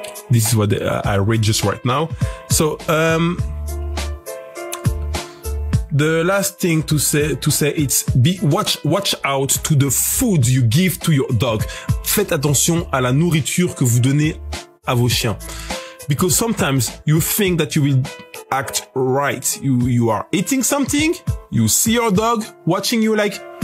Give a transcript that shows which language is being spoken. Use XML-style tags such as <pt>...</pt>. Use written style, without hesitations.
<en>This is what I read just right now. So the last thing to say, it's watch out to the food you give to your dog.</en> <fr>Faites attention à la nourriture que vous donnez à vos chiens.</fr> <en>Because sometimes you think that you will act right. You are eating something, you see your dog watching you like...</en>